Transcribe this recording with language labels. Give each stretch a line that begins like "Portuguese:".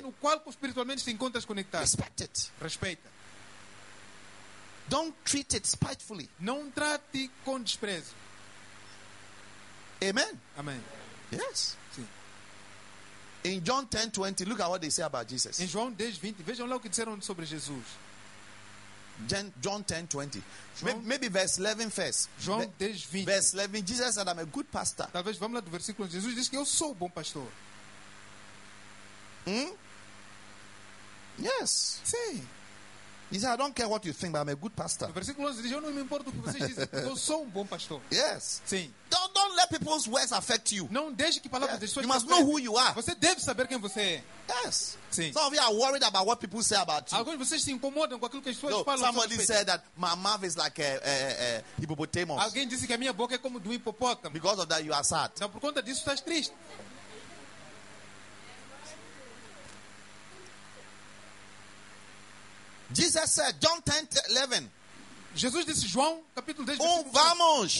Portuguese: No qual espiritualmente se encontras conectado.
English: Respect it.
Portuguese: Respeita.
English: Don't treat it spitefully.
Portuguese: Não trate com desprezo. Amen. Amen.
English: Yes.
Portuguese: Sim.
English: In John 10:20, look at what they say about Jesus.
Portuguese: Em João 10:20, vejam lá o que disseram sobre Jesus.
English: John 10:20. Maybe verse 11 first.
Portuguese: João 10:20.
English: Verse 11, Jesus said, "I'm a good pastor."
Portuguese: Talvez vamos lá do versículo. Jesus disse que eu sou bom pastor.
English: Yes.
Portuguese: Sim.
English: He said, "I don't care what you think, but I'm a good pastor."
Portuguese: No versículo 11, diz, eu não me importo o que vocês dizem. Eu sou um bom pastor.
English: Yes.
Portuguese: Sim.
English: Don't let let people's words affect you.
Portuguese: Não deixe que palavras
English: yes.
Portuguese: de
English: you must know who you are.
Portuguese: Você deve saber quem você é.
English: Yes.
Portuguese: Sim.
English: Some of you are worried about what people say about you.
Portuguese: Alguns de vocês se incomodam com aquilo que as pessoas falam.
English: Somebody said that my mouth is like a hippopotamus.
Portuguese: Alguém disse que a minha boca é como do hipopótamo.
English: Because of that you are sad.
Portuguese: Não, por conta disso estás triste.
English: Jesus said, John 10:11.
Portuguese: Jesus disse, João, capítulo 10, vamos.